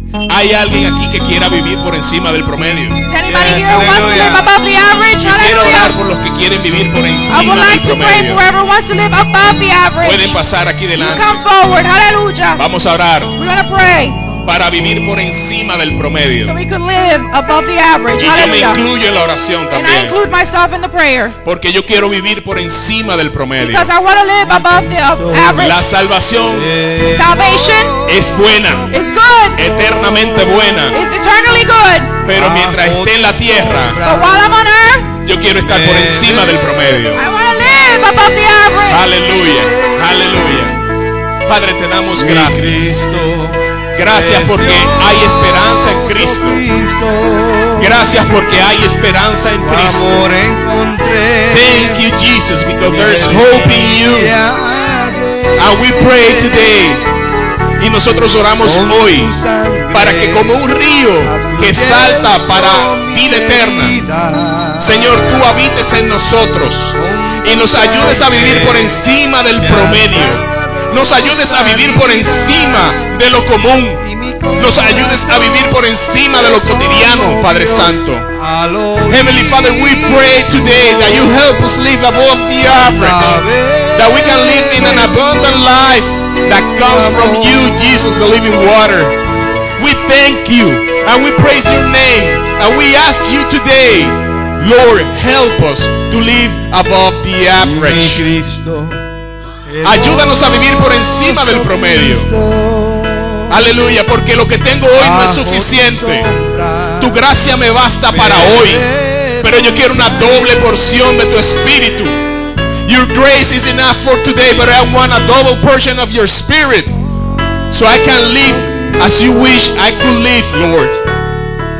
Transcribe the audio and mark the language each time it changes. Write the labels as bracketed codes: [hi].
[es] ¿Hay alguien aquí que quiera vivir por encima del promedio? [en] Is anybody yes, here who wants to live above the average? [es] Quisiera orar por los que quieren vivir por encima del promedio. [en] I would like to pray for whoever wants to live above the average. [es] Pueden pasar aquí delante. [en] Come forward. Hallelujah. [es] Vamos a orar. [en] We're going to pray. [es] Para vivir por encima del promedio. [en] So we could live above the average. [es] Y yo me incluyo en la oración también. [en] And I include myself in the prayer. [es] Porque yo quiero vivir por encima del promedio. [en] Because I want to live above the average. [es] La salvación, [en] salvation, [es] es buena. [en] It's good. [es] Eternamente buena. [en] It's eternally good. [es] Pero mientras esté en la tierra, [en] but while I'm on earth, [es] yo quiero estar por encima del promedio. [en] I want to live above the average. [es] Aleluya. Aleluya. Padre, te damos gracias. Gracias porque hay esperanza en Cristo. Gracias porque hay esperanza en Cristo. [en] Thank you, Jesus, because there is hope in you. And we pray today. [es] Y nosotros oramos hoy para que como un río que salta para vida eterna, Señor, tú habites en nosotros y nos ayudes a vivir por encima del promedio. Nos ayudes a vivir por encima de lo común. Nos ayudes a vivir por encima de lo cotidiano, Padre Santo. [en] Heavenly Father, we pray today that you help us live above the average, that we can live in an abundant life that comes from you, Jesus, the living water. We thank you and we praise your name, and we ask you today, Lord, help us to live above the average. [es] Ayúdanos a vivir por encima del promedio. Aleluya, porque lo que tengo hoy no es suficiente. Tu gracia me basta para hoy, pero yo quiero una doble porción de tu espíritu. [en] Your grace is enough for today, but I want a double portion of your spirit, so I can live as you wish I could live, Lord.